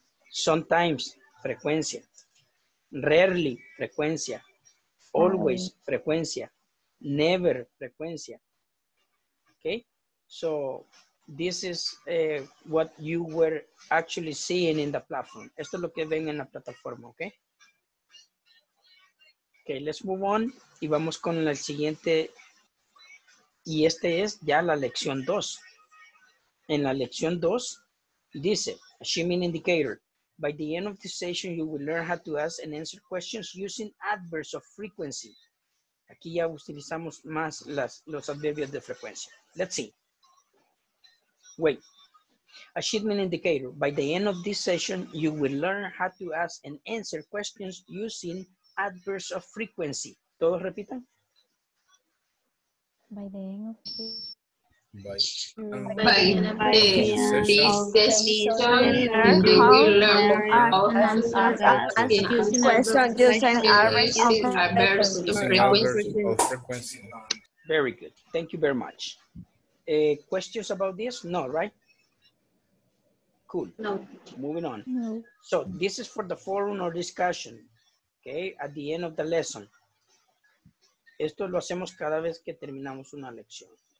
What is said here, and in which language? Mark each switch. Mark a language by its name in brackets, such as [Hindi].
[English] Sometimes, frecuencia. Rarely, frecuencia. Always, frecuencia. Never, frecuencia. Okay? So, this is what you were actually seeing in the platform. [Spanish] Esto es lo que ven en la plataforma, okay? [English] Okay, let's move on. [Spanish] Y vamos con el siguiente. Y este es ya la lección 2. En la lección 2, dice, [English] assuming indicator. By the end of this session, you will learn how to ask and answer questions using adverbs of frequency. [Spanish] Aquí ya utilizamos más los adverbios de frecuencia. [English] Let's see. Wait. Achievement indicator. By the end of this session, you will learn how to ask and answer questions using adverbs of frequency. [Spanish] ¿Todos repitan? [English] By the end of this... Very good. Thank you very much. Questions about this? No, right? Cool. No. Moving on. So this is for the forum or discussion. Okay, at the end of the lesson. [Spanish] Esto lo hacemos cada vez que terminamos una lección.